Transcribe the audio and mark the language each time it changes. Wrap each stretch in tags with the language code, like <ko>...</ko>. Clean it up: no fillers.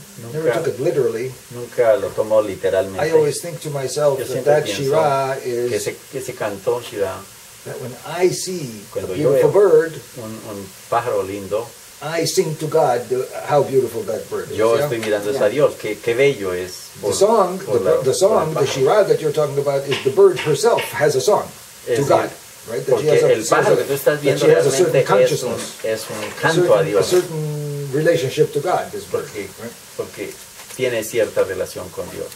<es>Nunca,</es> <en>never took it literally.</en> <es>Nunca lo tomo literalmente.</es> <en>I always think to myself that Shira is...</en> <es>Que se cantó Shira.</es> <en>That when I see a beautiful bird,</en> <es>un pájaro lindo,</es> <en>I sing to God how beautiful that bird is.</en> <es>Yo estoy mirando a Dios, qué bello es.</es> <en>The song, the shira that you're talking about is the bird herself has a song to God, right? That she has a certain consciousness,</en> <es>es un canto a Dios.</es> <en>A certain relationship to God, this bird.</en> <es>Okay. Tiene cierta relación con Dios.</es>